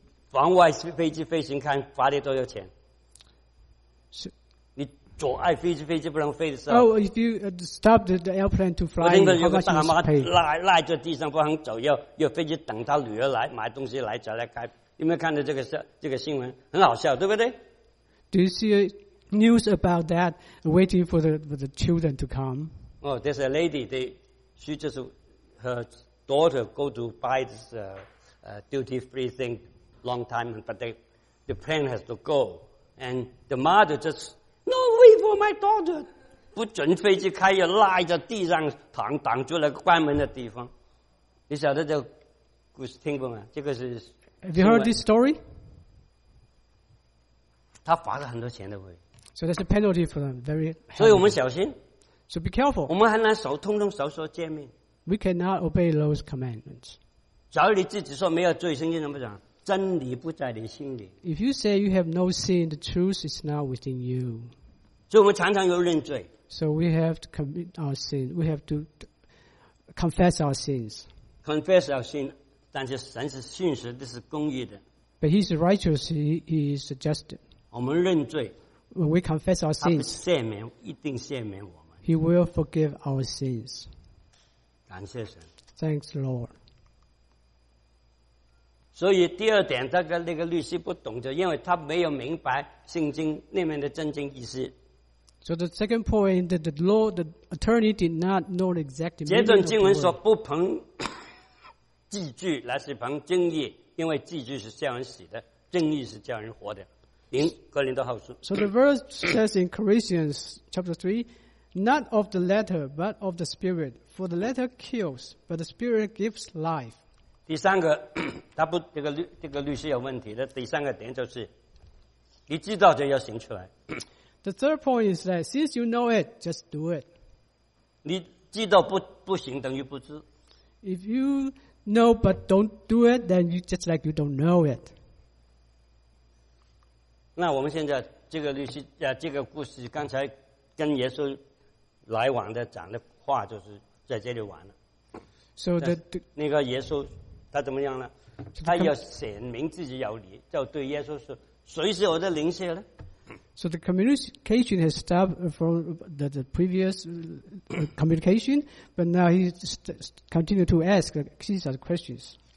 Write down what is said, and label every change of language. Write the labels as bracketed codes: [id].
[zh] 往外飞机飞行看罚你多少钱？是，你阻碍飞机不能飞的时候。 [en] Oh, if you stop the airplane to fly, how much you pay? [zh] 我听到有个大妈赖在地上不肯走，要飞机等他女儿来买东西来再来开。有没有看到这个新闻？很好笑，对不对 [en] ？Do you see news about that? Waiting for the children to come? Oh, there's a lady. She just her daughter go to buy this duty free thing. Long time, but the plane has to go, and the mother just no wait for my daughter. [zh] 不准飞机开，要赖在地上躺，挡住了关门的地方。你晓得这个故事听不吗？这个是 [en] Have you heard this story? [zh] 他罚了很多钱的会。 [en] So that's a penalty for them. Very. [zh] 所以我们小心。 [en] So be careful. [zh] 我们很难守，通通守说诫命。 [en] We cannot obey those commandments. [zh] 假如你自己说没有罪，圣经怎么讲？真理不在你心里。 [en] If you say you have no sin, the truth is not within you. [zh] 所以我们常常有认罪。 [en] So we have to commit our sin. We have to confess our sins. Confess our sin, [zh] 但是神是信实，这是公义的。 [en] But He is righteous. He is just. [zh] 我们认罪。 [en] When we confess our sins, [zh] 他赦免，一定赦免我们。 [en] He will forgive our sins. [zh] 感谢神。 [en] Thanks, Lord. [zh] 所以第二点，这个那个律师不懂的，因为他没有明白圣经里面的真正意思。 [en] So the second point that the law, the attorney did not know exactly. [zh] 这段经文说不凭字句，乃是凭真义，因为字句是叫人死的，真义是叫人活的。您格林多后书。 [en] So the verse says in Corinthians chapter 3, not of the letter, but of the spirit. For the letter kills, but the spirit gives life. [zh] 第三个，他不这个律师有问题的。第三个点就是，你知道就要行出来。 [en] The third point is that since you know it, just do it. [zh] 你知道不行等于不知。 [en] If you No, but don't do it, then you just like you don't know it. [zh] 那我们现在这个故事，刚才跟耶稣来往的讲的话，就是在这里完了。 [en] So that [zh] 那个耶稣他怎么样呢？他要显明自己有理，就对耶稣说：“谁是我的灵舍呢？” [en] So the communication has stopped from the previous communication, but now he continues to ask Jesus questions.